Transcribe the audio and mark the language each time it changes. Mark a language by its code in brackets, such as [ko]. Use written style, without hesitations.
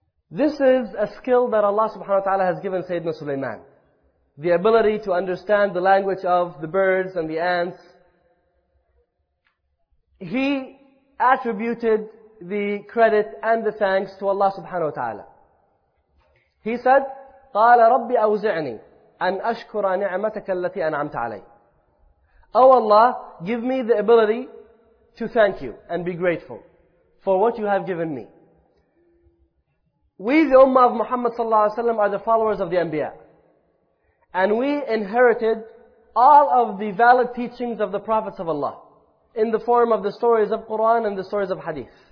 [en] This is a skill that Allah subhanahu wa ta'ala has given Sayyidina Sulaiman. The ability to understand the language of the birds and the ants. He attributed the credit and the thanks to Allah subhanahu wa ta'ala. He said, [ar] قَالَ رَبِّ أَوْزِعْنِي أَنْ أَشْكُرَ نِعْمَتَكَ الَّتِي أَنْعَمْتَ عَلَيْهِ. [en] O Allah, give me the ability to thank you and be grateful for what you have given me. We, the Ummah of Muhammad sallallahu alayhi wa sallam, are the followers of the Anbiya. And we inherited all of the valid teachings of the Prophets of Allah in the form of the stories of Quran and the stories of Hadith.